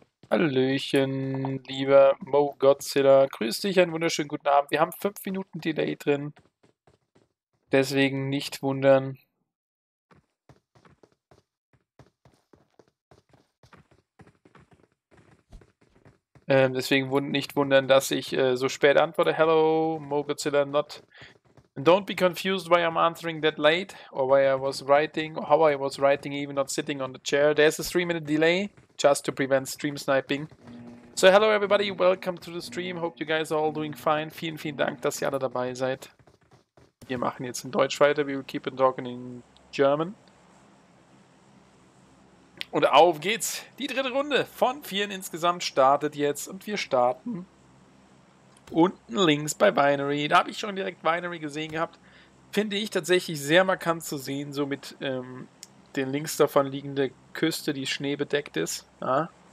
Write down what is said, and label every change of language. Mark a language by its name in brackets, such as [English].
[German] Hallöchen, lieber Mo Godzilla. Grüß dich, einen wunderschönen guten Abend. Wir haben 5 Minuten Delay drin. Deswegen nicht wundern. Deswegen nicht wundern, dass ich so spät antworte. [English] Hello, MoGodzilla, not. And don't be confused why I'm answering that late or why I was writing or how I was writing, even not sitting on the chair. There's a 3-minute delay just to prevent stream sniping. So hello everybody, welcome to the stream. Hope you guys are all doing fine. [German] Vielen, vielen Dank, dass ihr alle dabei seid. Wir machen jetzt in Deutsch weiter. [English] We will keep on talking in German. [German] Und auf geht's. Die dritte Runde von 4 insgesamt startet jetzt. Und wir starten unten links bei Binary. Da habe ich schon direkt Binary gesehen gehabt. Finde ich tatsächlich sehr markant zu sehen. So mit den links davon liegende Küste, die schneebedeckt ist. Ja.